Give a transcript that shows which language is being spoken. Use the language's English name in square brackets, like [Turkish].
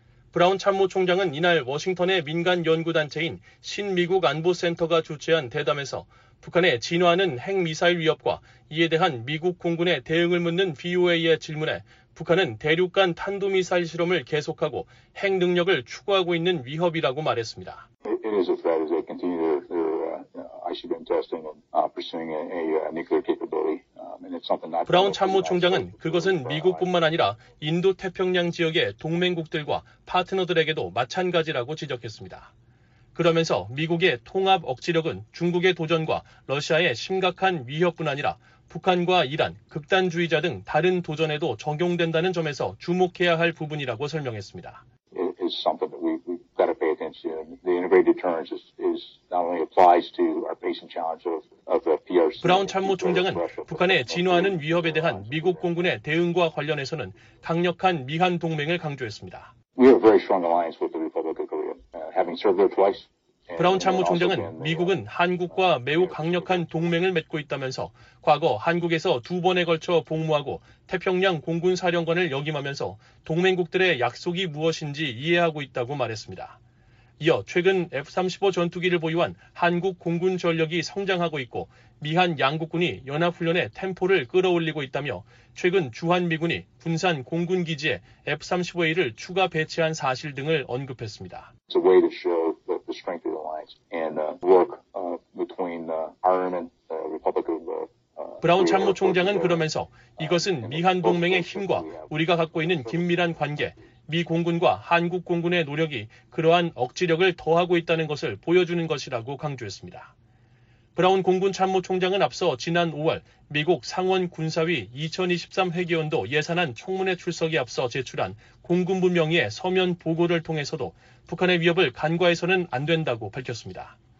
[Korean] 브라운 참모총장은 이날 워싱턴의 민간 연구단체인 신미국 안보센터가 주최한 대담에서 북한의 진화하는 핵미사일 위협과 이에 대한 미국 공군의 대응을 묻는 VOA의 질문에 북한은 대륙간 탄도미사일 실험을 계속하고 핵 능력을 추구하고 있는 위협이라고 말했습니다. [English] It is a threat as they continue ICBM testing and pursuing a nuclear capability. [Korean] 브라운 참모총장은 그것은 미국뿐만 아니라 인도태평양 지역의 동맹국들과 파트너들에게도 마찬가지라고 지적했습니다. 그러면서 미국의 통합 억지력은 중국의 도전과 러시아의 심각한 위협뿐 아니라 북한과 이란, 극단주의자 등 다른 도전에도 적용된다는 점에서 주목해야 할 부분이라고 설명했습니다. [English] It's something that we've got to pay attention to. The integrated deterrence is not only applies to our pacing challenge of the PRC. [Korean] 브라운 참모총장은 북한의 진화하는 위협에 대한 미국 공군의 대응과 관련해서는 강력한 미한 동맹을 강조했습니다. [English] We have a very strong alliance with the Republic of Korea, having served there twice. [Korean] 브라운 참모총장은 미국은 한국과 매우 강력한 동맹을 맺고 있다면서 과거 한국에서 두 번에 걸쳐 복무하고 태평양 공군사령관을 역임하면서 동맹국들의 약속이 무엇인지 이해하고 있다고 말했습니다. 이어 최근 F-35 전투기를 보유한 한국 공군 전력이 성장하고 있고 미한 양국군이 연합훈련의 템포를 끌어올리고 있다며 최근 주한미군이 군산 공군기지에 F-35A를 추가 배치한 사실 등을 언급했습니다. [English] It's a way to show the strength of the alliance and work between our and the Republic of [Korean] 브라운 참모총장은 그러면서 이것은 미한 동맹의 힘과 우리가 갖고 있는 긴밀한 관계, 미 공군과 한국 공군의 노력이 그러한 억지력을 더하고 있다는 것을 보여주는 것이라고 강조했습니다. 브라운 공군 참모총장은 앞서 지난 5월 미국 상원 군사위 2023 회기연도 예산안 총문회 출석에 앞서 제출한 공군부 명의의 서면 보고를 통해서도 북한의 위협을 간과해서는 안 된다고 밝혔습니다.